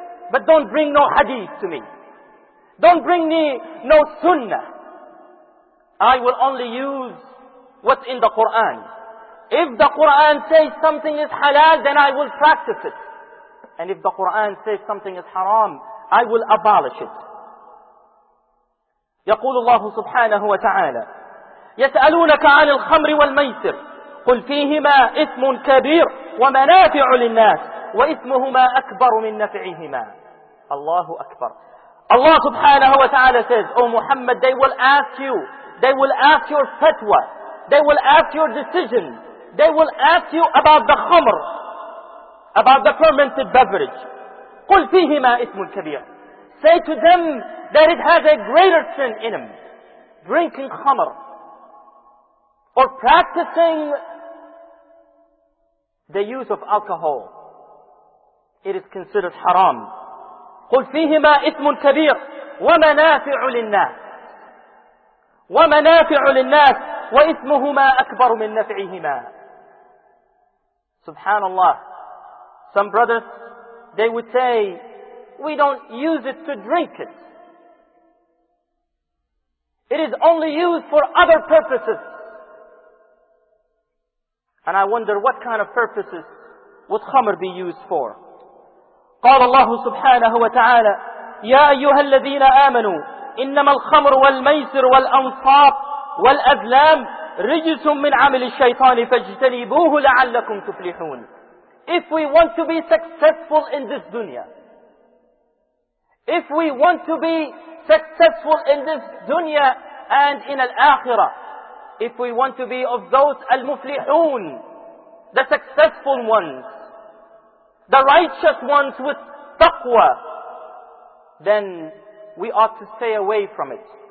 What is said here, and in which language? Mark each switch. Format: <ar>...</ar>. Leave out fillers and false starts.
<en>But don't bring no hadith to me. Don't bring me no sunnah. I will only use what's in the Quran. If the Quran says something is halal, then I will practice it. And if the Quran says something is haram, I will abolish it.</en> <ar>يقول الله سبحانه وتعالى يسألونك عن الخمر والميسر قل فيهما إثم كبير ومنافع للناس وإثمهما أكبر من نفعهما. الله أكبر. الله سبحانه وتعالى</ar> <en>says, O Muhammad, they will ask you, they will ask your fatwa, they will ask your decision, they will ask you about the khamr, about the fermented beverage.</en> <ar>قل فيهما إثم كبير.</ar> <en>Say to them that it has a greater sin in him, drinking khamr, or practicing the use of alcohol. It is considered haram.</en> <ar>قُلْ فِيهِمَا إِثْمٌ كَبِيرٌ وَمَنَافِعُ لِلنَّاسِ وَمَنَافِعُ لِلنَّاسِ وَإِثْمُهُمَا أَكْبَرُ مِنْ نَفْعِهِمَا. Subhanallah.</ar> <en>Some brothers, they would say, we don't use it to drink it. It is only used for other purposes. And I wonder what kind of purposes would khamr be used for.</en> <ar>قال الله سبحانه وتعالى يا أيها الذين آمنوا إنما الخمر والميسر والأنصاب والأزلام رجس من عمل الشيطان فاجتنبوه لعلكم تفلحون.</ar> <en>If we want to be successful in this dunya, if we want to be successful in this dunya and in al-akhirah, if we want to be of those al-muflihoon, the successful ones, the righteous ones with taqwa, then we ought to stay away from it.</en>